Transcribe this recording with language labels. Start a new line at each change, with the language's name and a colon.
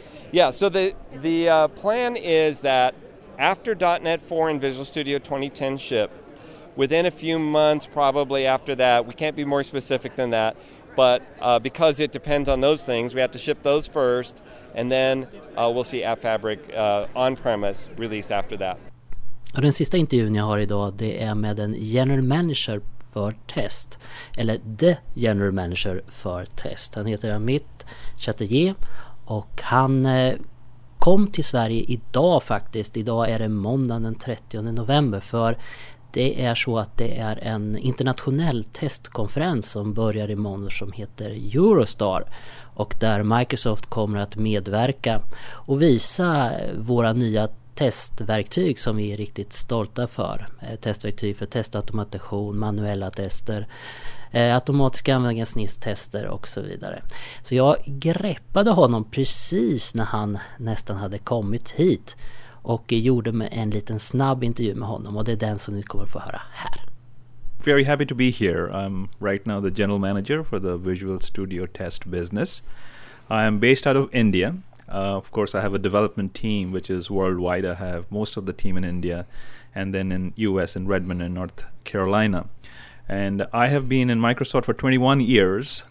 English: Yeah, so the plan is that after .NET 4 and Visual Studio 2010 ship, within a few months probably after that, we can't be more specific than that, but because it depends on those things, we have to ship those first, and then we'll see App Fabric on-premise release after that.
Swedish: Och den sista intervjun jag har idag, det är med en general manager för test, eller
English: the general manager
Swedish: för test. Han heter Amit Chatterjee och han kom till Sverige idag faktiskt. Idag är det måndagen den 30 november, för det är så att det är en internationell testkonferens som börjar i måndag som heter Eurostar. Och där Microsoft kommer att medverka och visa våra nya testverktyg som vi är riktigt stolta för. Testverktyg för testautomation, manuella tester, automatiska användningssnittstester och så vidare. Så jag greppade honom precis när han nästan hade kommit hit och gjorde en liten snabb intervju med honom, och det är den som ni kommer få höra här.
English: Very happy to be here. I'm right now the general manager for the Visual Studio test business. I am based out of India. Of course, I have a development team which is worldwide. I have most of the team in India and then in US in Redmond in North Carolina. And I have been in Microsoft for 21 years.